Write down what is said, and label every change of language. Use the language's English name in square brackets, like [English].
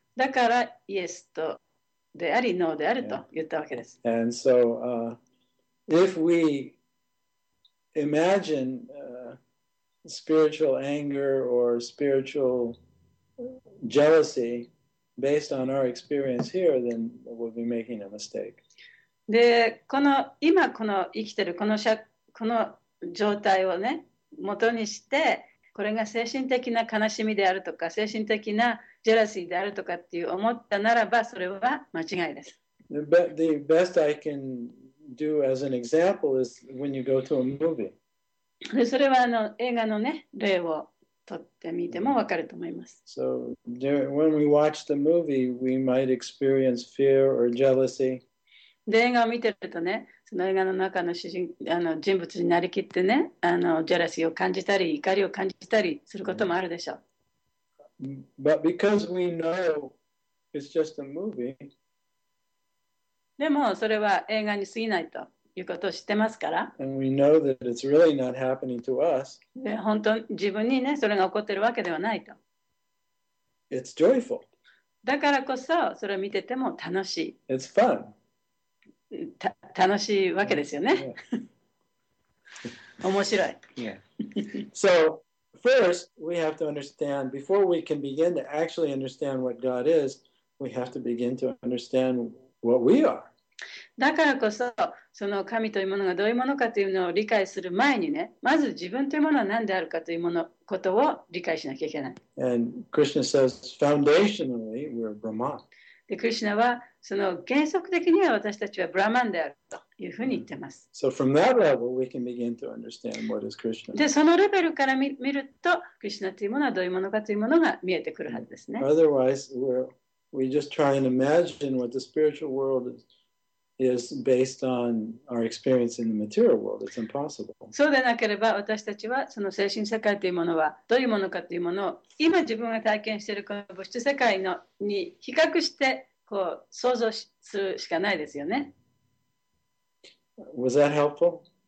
[Japanese] だから、イエスとであり、ノーであると言ったわけです。 [English] Yeah. And so, if we imagine spiritual anger or spiritual jealousy based on our experience here, then we'll be making a mistake. [Japanese] で、この今この生きてるこのしゃこの状態をね、元にして、これが精神的な悲しみであるとか、精神的なジェラシーであるとかっていう思ったならば、それは間違いです。 [English] The best I can do as an example is when you go to a movie. [Japanese] で、それは映画のね、例をとってみてもわかると思います。 [English] So, when we watch the movie, we might experience fear or jealousy. [Japanese] で、映画を見てるとね、その映画の中の主人、人物になりきってね、ジェラシーを感じたり、怒りを感じたりすることもあるでしょう。 [English] But because we know it's just a movie, [Japanese] でも、それは映画に過ぎないということを知ってますから。 [English] And we know that it's really not happening to us. [Japanese] で、本当、自分にね、それが起こってるわけではないと。 [English] It's joyful. [Japanese] だからこそ、それを見てても楽しい。 [English] It's fun. [Japanese] 楽しいわけですよね。面白い。 [English] Yeah. So, first, we have to understand, before we can begin to actually understand what God is, we have to begin to understand what we are. [Japanese] だからこそ、その神というものがどういうものかというのを理解する前にね、まず自分というものは何であるかというものことを理解しなきゃいけない。 [English] And Krishna says, foundationally, we're Brahman. [Japanese] で、クリシュナはその原則的には私たちはブラマンであるというふうに言ってます。 [English] So from that level we can begin to understand what is Krishna. [Japanese] で、そのレベルから見るとクリシュナというものはどういうものかというものが見えてくるはずですね。 [English] Otherwise we just try and imagine what the spiritual world is based on our experience in the material world. It's impossible. [Japanese] そうでなければ私たちはその精神世界というものはどういうものかというものを今自分が体験しているこの物質世界のに比較してこう想像するしかないですよね。 [English] Was that helpful?